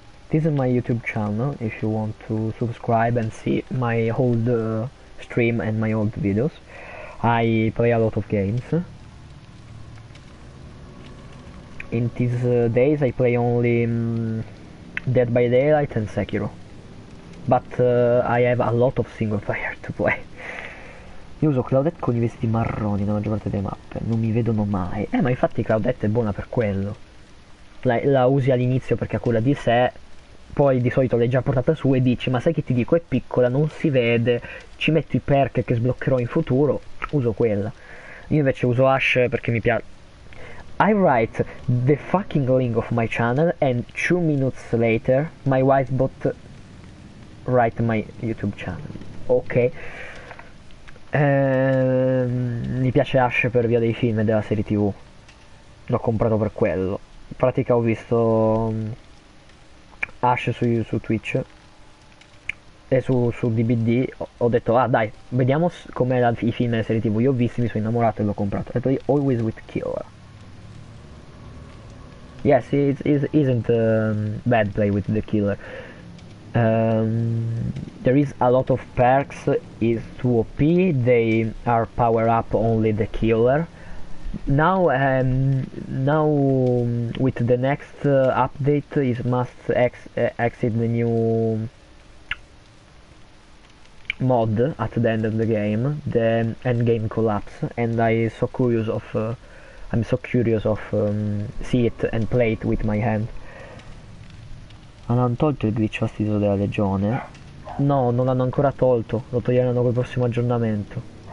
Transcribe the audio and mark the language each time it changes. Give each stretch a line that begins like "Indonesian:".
English: This is my YouTube channel, if you want to subscribe and see my old stream and my old videos. I play a lot of games. In these days I play only Dead by Daylight and Sekiro. But I have a lot of single player to play.
Italian: Io uso Claudette con i vestiti marroni nella maggior parte delle mappe, non mi vedono mai. Ma infatti Claudette è buona per quello. La usi all'inizio perché ha cura di sé. Poi di solito l'hai già portata su e dici, ma sai che ti dico, è piccola, non si vede, ci metto i perk che sbloccherò in futuro, uso quella. Io invece uso Ashe perché mi piace.
English: I write the fucking link of my channel and 2 minutes later my wife bot write my YouTube channel. Ok.
Italian: Mi piace Ashe per via dei film e della serie TV. L'ho comprato per quello. In pratica ho visto Ash su Twitch e su DBD, ho detto, ah dai, vediamo com'è i film e le serie TV. Io ho visto, mi sono innamorato e l'ho comprato. E poi
English: Always with
Italian: Kiora.
English: Yes, isn't bad play with the killer. There is a lot of perks, is 2 OP, they are power up only the killer. Now, with the next update, is must exit the new mod at the end of the game, the endgame collapse, and I'm so curious of see it and play it with my hand.
Italian: Hanno tolto il glitch fastidioso della legione? No, non l'hanno ancora tolto, lo toglieranno col prossimo aggiornamento.